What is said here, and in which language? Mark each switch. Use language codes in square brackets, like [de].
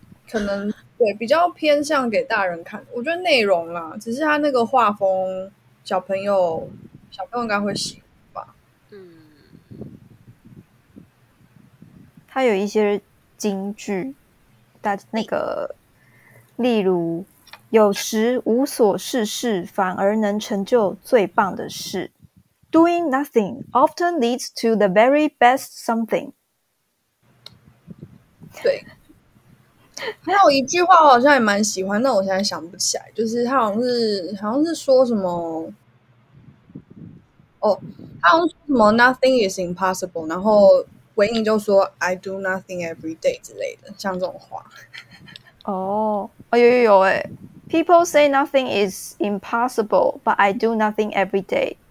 [zh] 可能对比较偏向给大人看。我觉得内容啦，只是他那个画风，小朋友应该会喜欢吧。嗯，他有一些金句，但那个例如，有时无所事事反而能成就最棒的事。 [en] Doing nothing often leads to the very best something. [zh] 对，还有一句话我好像也蛮喜欢，但我现在想不起来。就是他好像是说什么，哦，他好像说什么 [en] "Nothing is impossible"， [zh] 然后维尼就说 [en] "I do nothing every day" [zh] 之类的，像这种话。哦，有哎 [en] ，People say nothing is impossible, but I do nothing every day.